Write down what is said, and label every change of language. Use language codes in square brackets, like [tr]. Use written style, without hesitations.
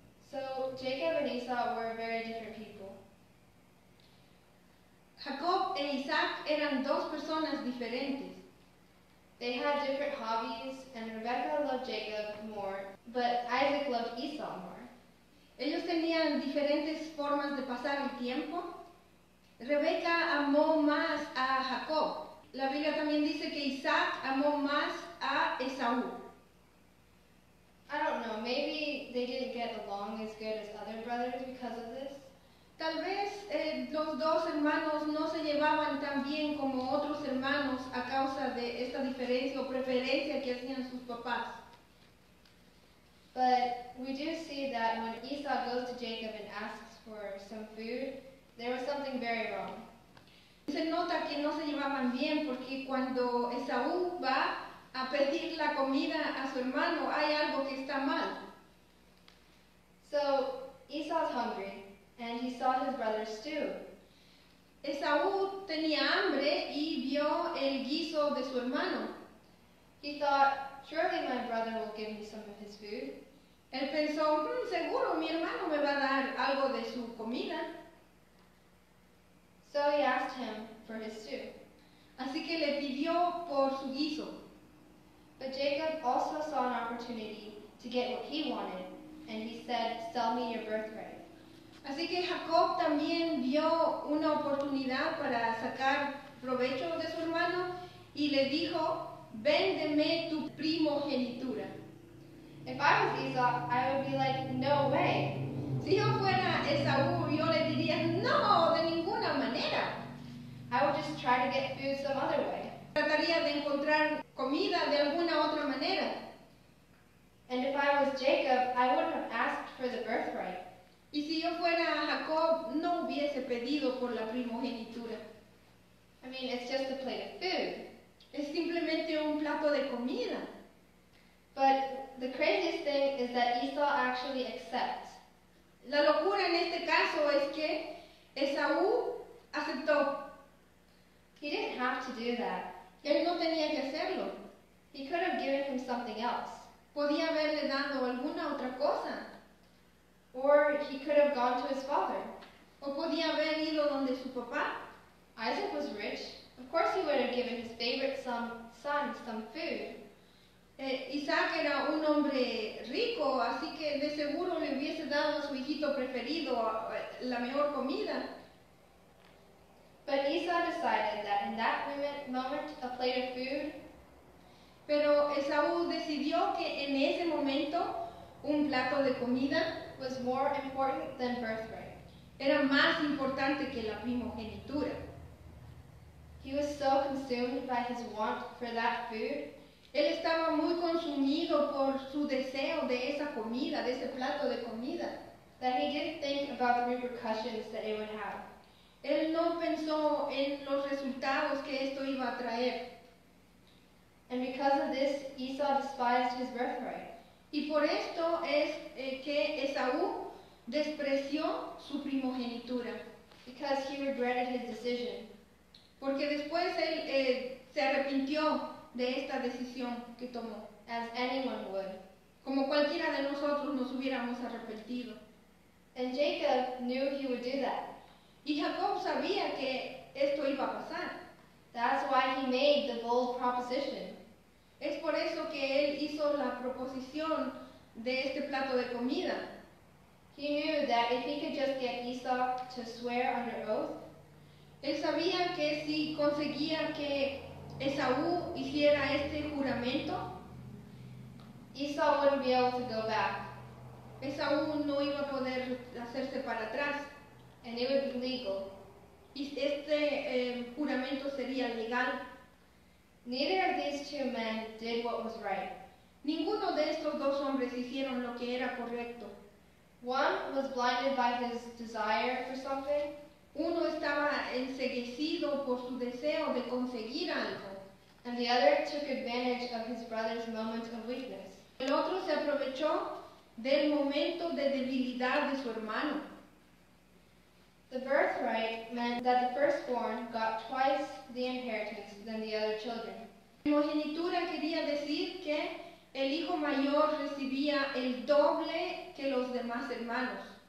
[en] So Jacob and Esau were very different people. [es] Jacob e Isaac eran dos personas diferentes. [en] They had different hobbies, and Rebekah loved Jacob more, but Isaac loved Esau more. [es] Ellos tenían diferentes formas de pasar el tiempo. Rebeca amó más a Jacob. La Biblia también dice que Isaac amó más a Esaú. [en] I don't know, maybe they didn't get along as good as other brothers because of this. [es] Tal vez los dos hermanos no se llevaban tan bien como otros hermanos a causa de esta diferencia o preferencia que hacían sus papás. [en] But we do see that when Esau goes to Jacob and asks for some food, there was something very wrong. [es] Se nota que no se llevaban bien porque cuando Esaú va a pedir la comida a su hermano, hay algo que está mal. [en] So, Esau's hungry, and he saw his brother's stew. [es] Esaú tenía hambre y vio el guiso de su hermano. [en] He thought, "Surely my brother will give me some of his food." [es] Él pensó, seguro mi hermano me va a dar algo de su comida. [en] So he asked him for his stew. [es] Así que le pidió por su guiso. [en] But Jacob also saw an opportunity to get what he wanted, and he said, "Sell me your birthright." [es] Así que Jacob también vio una oportunidad para sacar provecho de su hermano y le dijo, "Véndeme tu primogenitura." [en] If I was Esau, I would be like, "No way." [es] Si yo fuera Esaú, yo le diría, "No, de ninguna manera." [en] I would just try to get food some other way. [es] Trataría de encontrar comida de alguna otra manera. [en] And if I was Jacob, I wouldn't have asked for the birthright. [es] Y si yo fuera Jacob, no hubiese pedido por la primogenitura. [en] I mean, it's just a plate of food. [es] Es simplemente un plato de comida. [en] But the craziest thing is that Esau actually accepts. [es] La locura en este caso es que Esaú aceptó. [en] He didn't have to do that. [es] Él no tenía que hacerlo. [en] He could have given him something else. [es] Podía haberle dado alguna otra cosa. [en] Or he could have gone to his father. [es] O podía haber ido donde su papá. [en] Isaac was rich. Of course he would have given his favorite son some food. [es] Isaac era un hombre rico, así que de seguro le hubiese dado a su hijito preferido la mejor comida. [en] But Esau decided that in that moment, a plate of food. [es] Pero Esaú decidió que en ese momento, un plato de comida [en] was more important than birthright. [es] Era más importante que la primogenitura. [en] He was so consumed by his want for that food. [es] Él estaba muy consumido por su deseo de esa comida, de ese plato de comida. [en] That he didn't think about the repercussions that it would have. [es] Él no pensó en los resultados que esto iba a traer. [en] And because of this, Esau despised his birthright. [es] Y por esto es que Esaú despreció su primogenitura. [en] Because he regretted his decision. [es] Porque después él se arrepintió de esta decisión que tomó. [en] As anyone would. [es] Como cualquiera de nosotros nos hubiéramos arrepentido. [en] And Jacob knew he would do that. [es] Y Jacob sabía que esto iba a pasar. [en] That's why he made the bold proposition. [es] Es por eso que él hizo la proposición de este plato de comida. [en] that if he could just get Esau to swear under oath, [es] él sabía que si conseguía que Esaú hiciera este juramento, [en] Esau wouldn't be able to go back. [es] Esaú no iba a poder hacerse para atrás. [en] And it would be legal. [es] Y este juramento sería legal. [en] Neither of these two men did what was right. [es] Ninguno de estos dos hombres hicieron lo que era correcto. [en] One was blinded by his desire for something. [es] Uno estaba enceguecido por su deseo de conseguir algo. [en] And the other took advantage of his brother's moment of weakness. [es] El otro se aprovechó del momento de debilidad de su hermano. [en] The birthright meant that the firstborn got twice the inheritance than the other children. [es] Primogenitura quería decir que el hijo mayor recibía el doble que los demás hermanos.